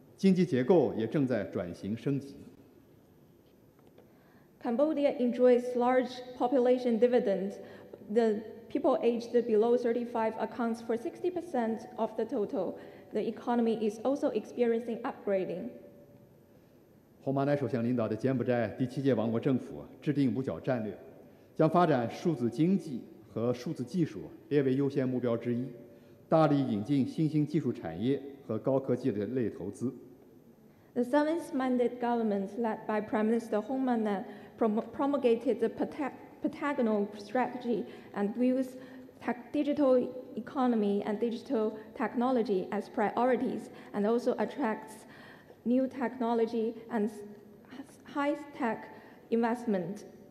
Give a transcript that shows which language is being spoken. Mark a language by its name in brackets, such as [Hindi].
[Chinese] 柬拥有巨大的人口红利，35岁以下人口占总人数的60%以上，经济结构也正在转型升级。 [English] Cambodia enjoys large population dividend. The people aged below 35 accounts for 60% of the total. The economy is also experiencing upgrading. [Chinese] 洪马乃首相领导的柬埔寨第七届王国政府制定五角战略，将发展数字经济和数字技术列为优先目标之一，大力引进新兴技术产业和高科技的类投资。 [English] The seventh-minded government led by Prime Minister Hun Manet promulgated the Patagonal Strategy and views digital economy and digital technology as priorities and also attracts new technology and high-tech investment.